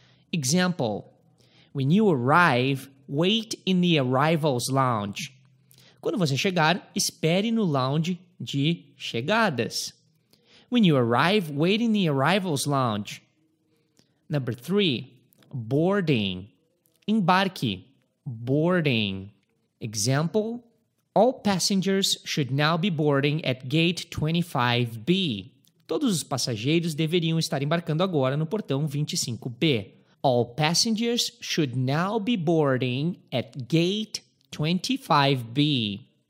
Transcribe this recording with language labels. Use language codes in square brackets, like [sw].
[en] Example, when you arrive, wait in the arrivals lounge. [pt] Quando você chegar, espere no lounge de chegadas. [en] When you arrive, wait in the arrivals lounge. Number three, boarding. Embarque, boarding. Example, all passengers should now be boarding at gate 25B. [pt] Todos os passageiros deveriam estar embarcando agora no portão 25B. [en] All passengers should now be boarding at gate 25B.